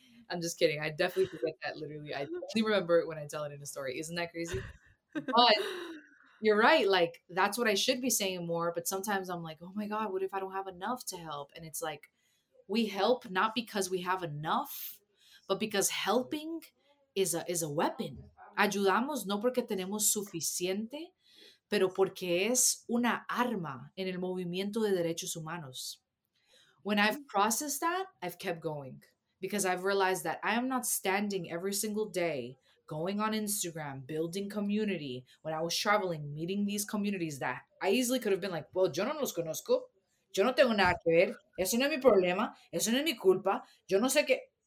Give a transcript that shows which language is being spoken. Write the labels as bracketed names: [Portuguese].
[English] I'm just kidding. I definitely forget that, literally. I only remember it when I tell it in a story. Isn't that crazy? But you're right. Like, that's what I should be saying more. But sometimes I'm like, oh my God, what if I don't have enough to help? And it's like, we help not because we have enough, but because helping is a weapon. [Spanish] Ayudamos no porque tenemos suficiente, pero porque es una arma en el movimiento de derechos humanos. [English] When I've processed that, I've kept going because I've realized that I am not standing every single day going on Instagram, building community, when I was traveling, meeting these communities that I easily could have been like, well, [Spanish] yo no los conozco. Yo no tengo nada que ver. Eso no es mi problema. Eso no es mi culpa. Yo no sé qué.